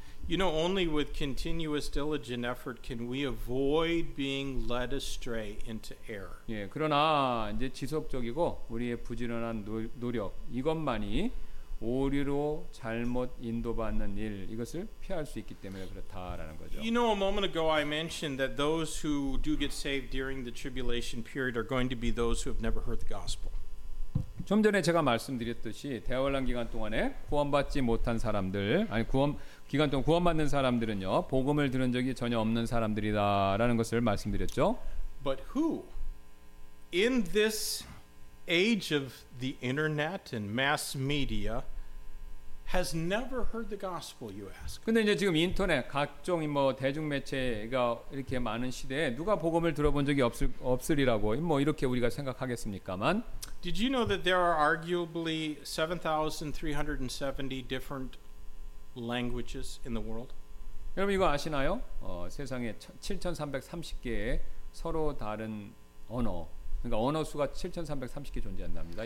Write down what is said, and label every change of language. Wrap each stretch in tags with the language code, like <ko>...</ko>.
<en>You know only with continuous diligent effort can we avoid being led astray into error.</en> <ko>예. 그러나 이제 지속적이고 우리의 부지런한 노력 이것만이 오류로 잘못 인도받는 일 이것을 피할 수 있기 때문에 그렇다라는 거죠.</ko> <en>You know, a moment ago I mentioned that those who do get saved during the tribulation period are going to be those who have never heard the gospel.</en> <ko>좀 전에 제가 말씀드렸듯이 대환란 기간 동안에 구원받지 못한 사람들, 아니 구원 기간 동안 구원받는 사람들은요 복음을 들은 적이 전혀 없는 사람들이다라는 것을 말씀드렸죠.</ko> <en>But who in this age of the internet and mass media has never heard the gospel you ask.</en> <ko>근데 이제 지금 인터넷 각종 뭐 대중매체가 이렇게 많은 시대에 누가 복음을 들어본 적이 없으리라고 뭐 이렇게 우리가 생각하겠습니까만</ko> <en>Did you know that there are arguably 7370 different languages in the world?</en> <ko>여러분 이거 아시나요? 세상에 7330개의 서로 다른 언어 그러니까 언어 수가 7,330개 존재한답니다.</ko>